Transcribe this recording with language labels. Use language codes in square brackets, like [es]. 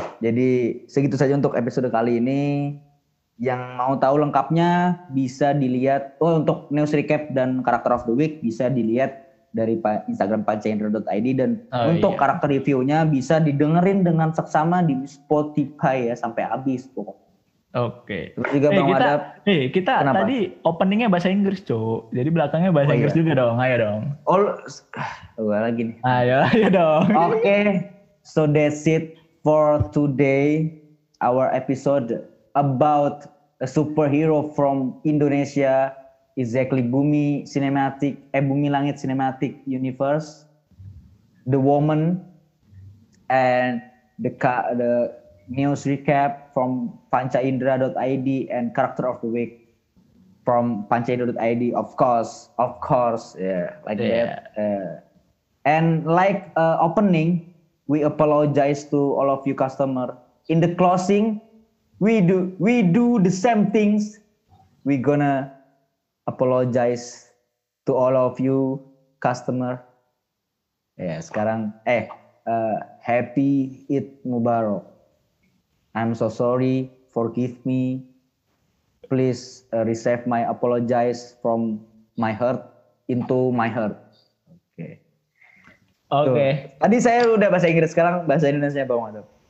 [id] Jadi segitu saja untuk episode kali ini. Yang mau tahu lengkapnya bisa dilihat, untuk news recap dan character of the week bisa dilihat dari Instagram pancaindra.id, dan untuk character reviewnya bisa didengerin dengan seksama di Spotify ya, sampai habis pokok. Oke. Terus juga Bang kita, Adap. Kita kenapa? Tadi openingnya bahasa Inggris, Cuk. Jadi belakangnya bahasa Inggris juga dong. Ayo dong. Gue lagi nih. Ayo dong. Oke. [en] So that's it for today, our episode about a superhero from Indonesia, exactly Bumi Cinematic, Bumi Langit Cinematic Universe, the woman, and the news recap from pancaindra.id, and character of the week from pancaindra.id, of course, yeah, like that. And like opening, we apologize to all of you customer. In the closing, we do the same things. We gonna apologize to all of you customer. Yeah, sekarang happy Eid Mubarak. I'm so sorry. Forgive me. Please receive my apologize from my heart into my heart. [id] Oke. [en] Okay. [id] Tadi saya udah bahasa Inggris, sekarang bahasa Indonesia Bang Adam.